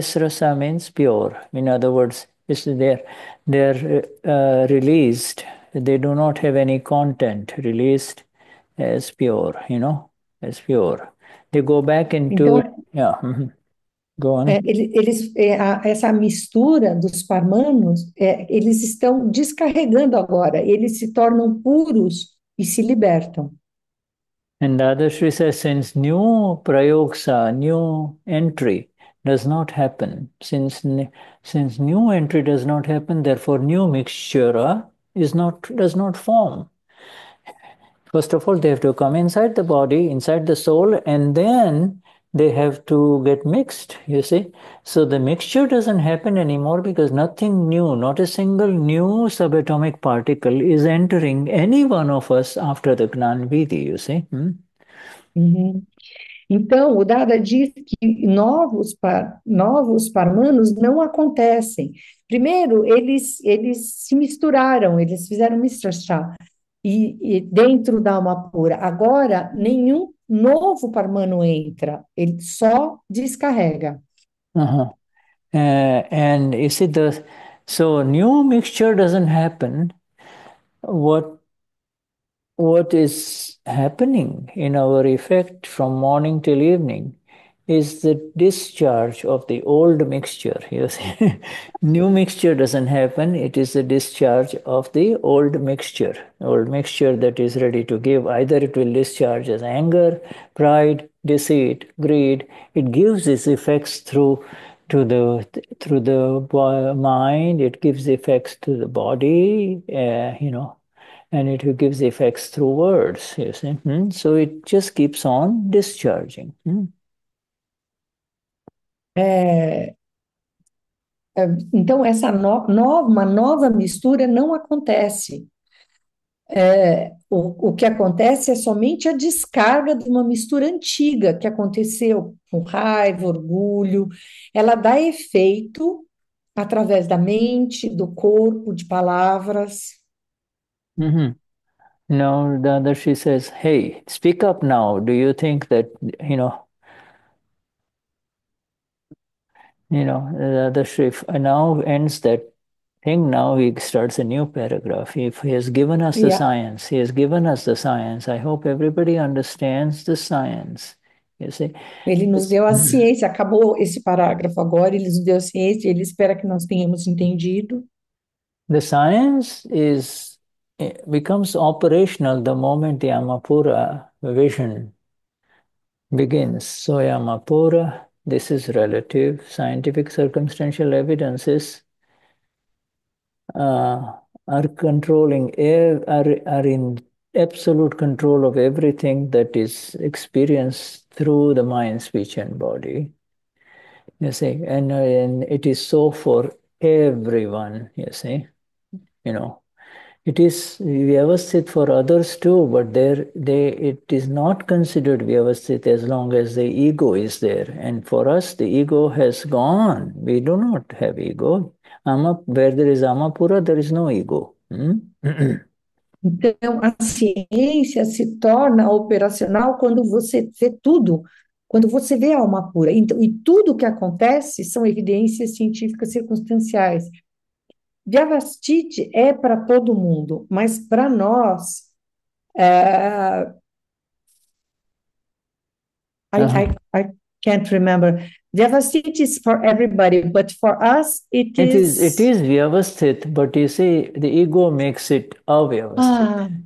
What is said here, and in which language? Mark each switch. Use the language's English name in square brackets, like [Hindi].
[English] Visrasa means pure. In other words, it's they're released. They do not have any content released as pure, you know, as pure. They go back [Portuguese] Então, [English] into. Go on. [Portuguese] essa mistura dos parmanos, eles estão descarregando agora, eles se tornam puros e se libertam. [English] And Dadashri says, since new prayoksa, new entry does not happen, since new entry does not happen, therefore new mixture. Does not form. First of all, they have to come inside the body, inside the soul, and then they have to get mixed, you see. So the mixture doesn't happen anymore because nothing new, not a single new subatomic particle is entering any one of us after the Gnanvidhi, you see. [Portuguese] Então, o Dada diz que novos parmanos não acontecem. Primeiro, eles se misturaram, eles fizeram mistrachá e dentro da alma pura. Agora, nenhum novo parmano entra, ele só descarrega. [English] And you see so new mixture doesn't happen. What is happening in our effect from morning till evening is the discharge of the old mixture. You see, new mixture doesn't happen. It is the discharge of the old mixture that is ready to give. Either it will discharge as anger, pride, deceit, greed. It gives its effects through the mind. It gives effects to the body, you know, and it gives effects through words. You see, So it just keeps on discharging. [Portuguese] Então, essa no, no, uma nova mistura não acontece. O que acontece é somente a descarga de uma mistura antiga que aconteceu com raiva, orgulho. Ela dá efeito através da mente, do corpo, de palavras. [English] Now Dadashri says, hey, speak up now. Do you think that, Dadashri now ends that thing. Now he starts a new paragraph. If he has given us the science, he has given us the science. I hope everybody understands the science. You see? [Portuguese] Ele nos deu a ciência, acabou esse parágrafo agora, ele nos deu a ciência, ele espera que nós tenhamos entendido. [English] The science is. It becomes operational the moment Yamapura vision begins. So Yamapura, this is relative, scientific circumstantial evidences are controlling, are in absolute control of everything that is experienced through the mind, speech, and body. You see, and it is so for everyone, you see, It is vyavasthit for others too, but it is not considered vyavasthit as long as the ego is there. And for us, the ego has gone. We do not have ego. Where there is Amapura, there is no ego. [Portuguese] Então, a ciência se torna operacional quando você vê tudo, quando você vê a alma pura. Então, e tudo o que acontece são evidências científicas circunstanciais. Vyavasthiti é para todo mundo, mas para nós, [English] I can't remember. Vyavasthiti is for everybody, but for us, it is. It is vyavasthit, but you see, the ego makes it avyavasthit.